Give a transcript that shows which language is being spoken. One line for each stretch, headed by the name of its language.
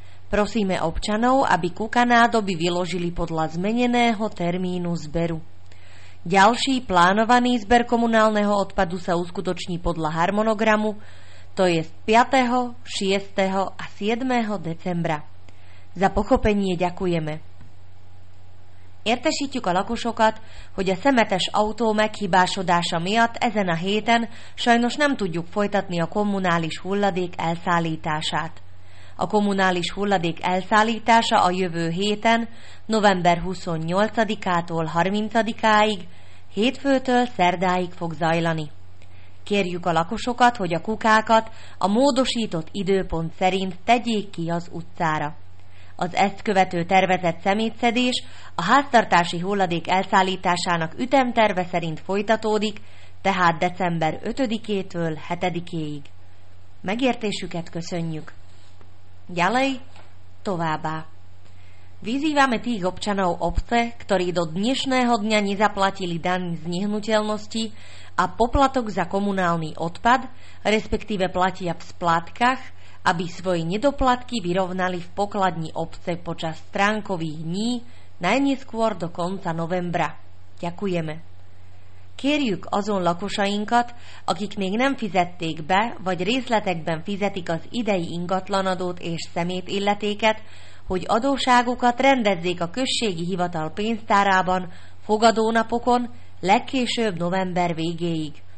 Slovak: Prosíme občanov, aby kúka nádoby vyložili podľa zmeneného termínu zberu. Ďalší plánovaný zber komunálneho odpadu sa uskutoční podľa harmonogramu, to je 5., 6. a 7. decembra. Za pochopenie ďakujeme.
Hungarian: Értesítjük a lakosokat, hogy a szemetes autó meghibásodása miatt ezen a héten sajnos nem tudjuk folytatni a kommunális hulladék elszállítását. A kommunális hulladék elszállítása a jövő héten, november 28-tól 30-áig, hétfőtől szerdáig fog zajlani. Kérjük a lakosokat, hogy a kukákat a módosított időpont szerint tegyék ki az utcára. Az ezt követő tervezett szemétszedés a háztartási hulladék elszállításának ütemterve szerint folytatódik, tehát december 5-től 7-éig. Megértésüket köszönjük!
Slovak: Ďalej,
Hungarian: továbbá.
Slovak: Vyzývame tých občanov obce, ktorí do dnešného dňa nezaplatili daň z nehnuteľnosti a poplatok za komunálny odpad, respektíve platia v splátkach, aby svoje nedoplatky vyrovnali v pokladni obce počas stránkových dní, najneskôr do konca novembra. Ďakujeme.
Hungarian: Kérjük azon lakosainkat, akik még nem fizették be, vagy részletekben fizetik az idei ingatlanadót és szemét illetéket, hogy adóságukat rendezzék a községi hivatal pénztárában fogadónapokon legkésőbb november végéig.